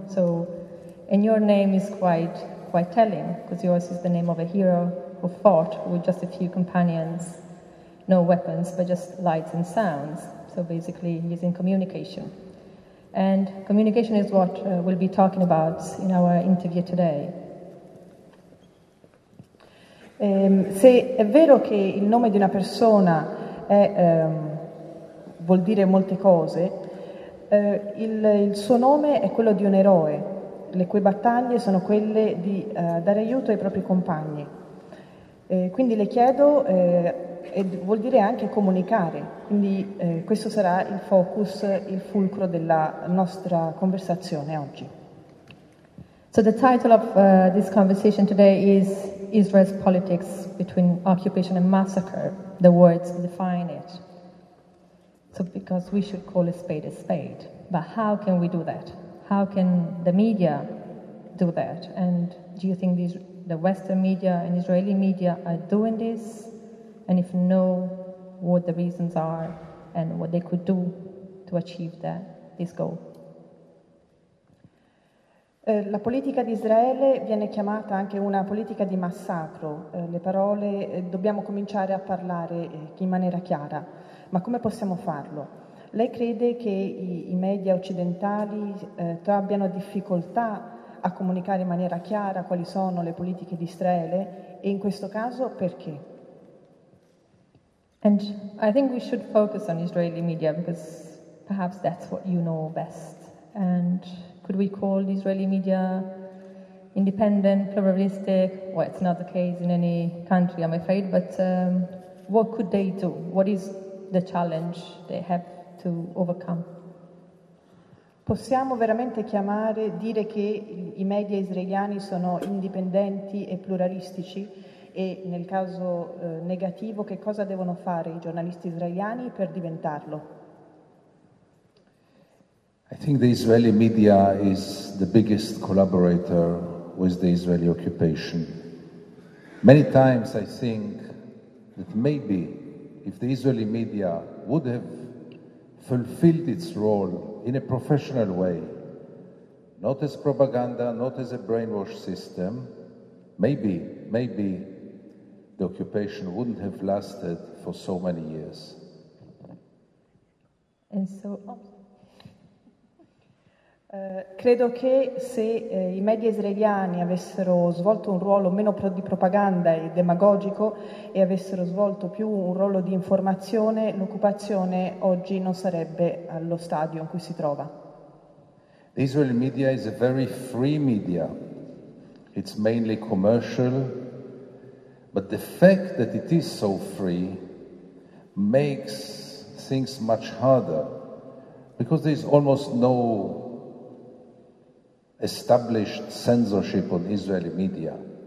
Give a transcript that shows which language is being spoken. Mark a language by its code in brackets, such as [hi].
[en] So, and your name is quite telling, because yours is the name of a hero who fought with just a few companions, no weapons, but just lights and sounds. So basically, he's in communication. And communication is what we'll be talking about in our interview today. [it] Se è vero che il nome di una persona è, vuol dire molte cose, il suo nome è quello di un eroe, le cui battaglie sono quelle di dare aiuto ai propri compagni. Quindi le chiedo, e vuol dire anche comunicare, quindi questo sarà il focus, il fulcro della nostra conversazione oggi. [en] So the title of this conversation today is Israel's politics between occupation and massacre, the words define it. So because we should call a spade a spade, but how can we do that? How can the media do that? And do you think these, the Western media and Israeli media are doing this? And if no, what the reasons are and what they could do to achieve that, this goal? [it] La politica di Israele viene chiamata anche una politica di massacro. Le parole, dobbiamo cominciare a parlare in maniera chiara. Ma come possiamo farlo? Lei crede che i media occidentali abbiano difficoltà a comunicare in maniera chiara quali sono le politiche di Israele? E in questo caso perché? [en] And I think we should focus on Israeli media because perhaps that's what you know best. And could we call the Israeli media independent, pluralistic? Well, it's not the case in any country, I'm afraid, but what could they do? What is the challenge they have to overcome? [it] Possiamo veramente dire che i media israeliani sono indipendenti e pluralistici? E nel caso negativo, che cosa devono fare i giornalisti israeliani per diventarlo? [en] I think the Israeli media is the biggest collaborator with the Israeli occupation. Many times I think that maybe if the Israeli media would have fulfilled its role in a professional way, not as propaganda, not as a brainwash system, maybe the occupation wouldn't have lasted for so many years. And so [it] Credo che se i media israeliani avessero svolto un ruolo meno di propaganda e demagogico e avessero svolto più un ruolo di informazione, l'occupazione oggi non sarebbe allo stadio in cui si trova. [en] The Israeli media is a very free media. It's mainly commercial, but the fact that it is so free makes things much harder because there is almost no established censorship on Israeli media.